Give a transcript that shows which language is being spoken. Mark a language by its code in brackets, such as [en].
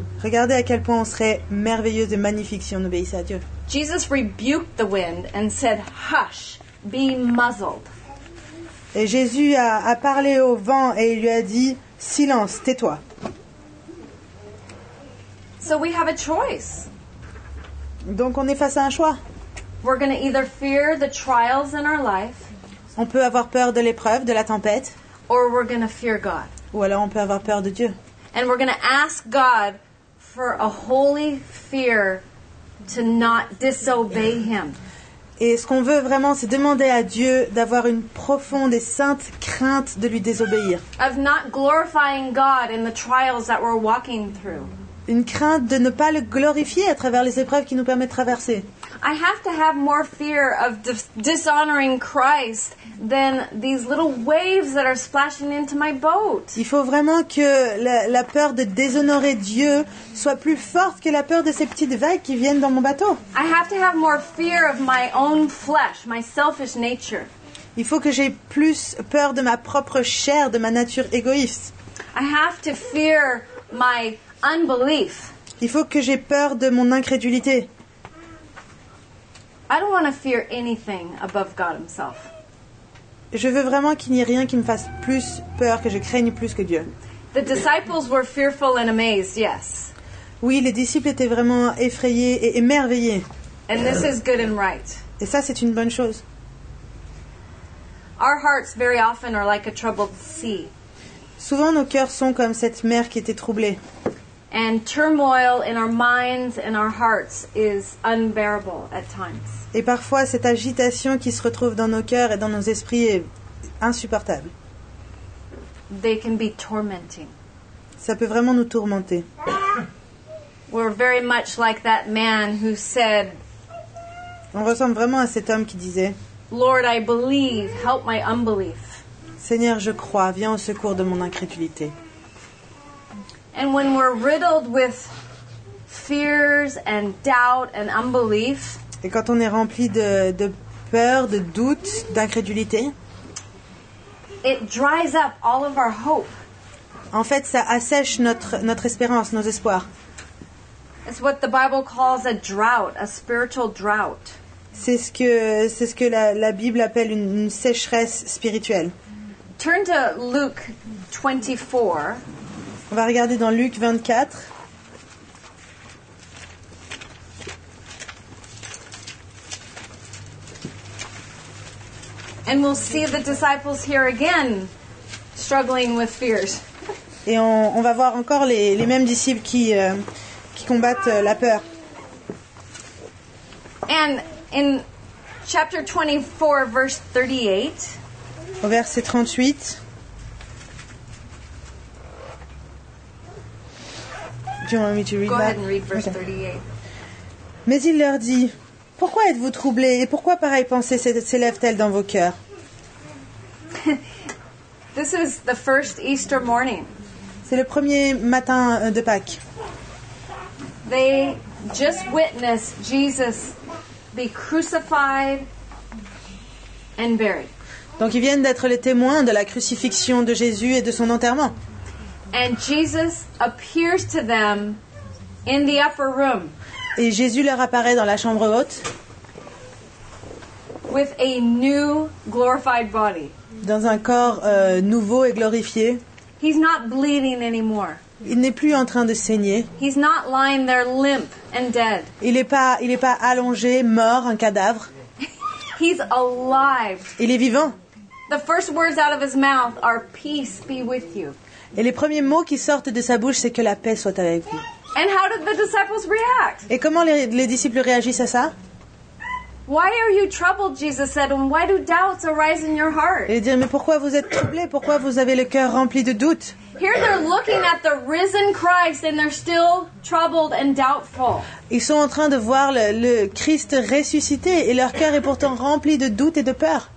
[fr] Regardez à quel point on serait merveilleux et magnifique si on obéissait à Dieu. [en] Jesus rebuked the wind and said, "Hush, be muzzled." [fr] Et Jésus a parlé au vent et il lui a dit, "Silence, tais-toi." [en] So we have a choice. [fr] Donc on est face à un choix. [en] We're going to either fear the trials in our life. [fr] On peut avoir peur de l'épreuve, de la tempête. [en] Or we're going to fear God. [fr] Ou alors on peut avoir peur de Dieu. [en] And we're going to ask God for a holy fear to not disobey him. [fr] Et ce qu'on veut vraiment, c'est demander à Dieu d'avoir une profonde et sainte crainte de lui désobéir. [en] Of not glorifying God in the trials that we're walking through. [fr] Une crainte de ne pas le glorifier à travers les épreuves qui nous permettent de traverser. [en] I have to have more fear of dishonoring Christ than these little waves that are splashing into my boat. [fr] Il faut vraiment que la peur de déshonorer Dieu soit plus forte que la peur de ces petites vagues qui viennent dans mon bateau. [en] I have to have more fear of my own flesh, my selfish nature. [fr] Il faut que j'aie plus peur de ma propre chair, de ma nature égoïste. [en] I have to fear my unbelief. [fr] Il faut que j'aie peur de mon incrédulité. [en] I don't want to fear anything above God himself. [fr] Je veux vraiment qu'il n'y ait rien qui me fasse plus peur, que je craigne plus que Dieu. [en] The disciples were fearful and amazed, yes. [fr] Oui, les disciples étaient vraiment effrayés et émerveillés. [en] And this is good and right. [fr] Et ça, c'est une bonne chose. [en] Our hearts very often are like a troubled sea. [fr] Souvent, nos cœurs sont comme cette mer qui était troublée. [en] And turmoil in our minds and our hearts is unbearable at times. [fr] Et parfois cette agitation qui se retrouve dans nos cœurs et dans nos esprits est insupportable. [en] They can be tormenting. [fr] Ça peut vraiment nous tourmenter. [en] We're very much like that man who said. [fr] On ressemble vraiment à cet homme qui disait. [en] Lord, I believe, help my unbelief. [fr] Seigneur, je crois, viens au secours de mon incrédulité. [en] And when we're riddled with fears and doubt and unbelief, [fr] et quand on est rempli de peur, de doute, d'incrédulité, [en] it dries up all of our hope. [fr] En fait, ça assèche notre espérance, nos espoirs. [en] It's what the Bible calls a drought, a spiritual drought. [fr] C'est ce que la Bible appelle une sécheresse spirituelle. [en] Turn to Luke 24. [fr] On va regarder dans Luc 24. [en] And we'll see the disciples here again struggling with fears. [fr] Et on va voir encore les mêmes disciples qui combattent la peur. [en] And in chapter 24, verse 38. [fr] Au verset 38. [en] Do you want me to read Go that? Ahead and read verse 38. [fr] Mais il leur dit, pourquoi êtes-vous troublés et pourquoi pareille pensée s'élève-t-elle dans vos cœurs? [en] This is the first Easter morning. [fr] C'est le premier matin de Pâques. [en] They just witnessed Jesus be crucified and buried. [fr] Donc ils viennent d'être les témoins de la crucifixion de Jésus et de son enterrement. [en] And Jesus appears to them in the upper room. [fr] Et Jésus leur apparaît dans la chambre haute. [en] With a new glorified body. [fr] Dans un corps nouveau et glorifié. [en] He's not bleeding anymore. [fr] Il n'est plus en train de saigner. [en] He's not lying there limp and dead. [fr] Il n'est pas allongé, mort, un cadavre. [en] He's alive. [fr] Il est vivant. [en] The first words out of his mouth are "Peace be with you." [fr] Et les premiers mots qui sortent de sa bouche, c'est que la paix soit avec vous. [en] And how did the disciples react? [fr] Et comment les disciples réagissent à ça? [en] Why are you troubled, Jesus said, and why do doubts arise in your heart? [fr] Et dire, mais pourquoi vous êtes troublés? Pourquoi vous avez le cœur rempli de doutes? [en] Here they're looking at the risen Christ and they're still troubled and doubtful. [fr] Ils sont en train de voir le Christ ressuscité et leur cœur est pourtant rempli de doutes et de peur.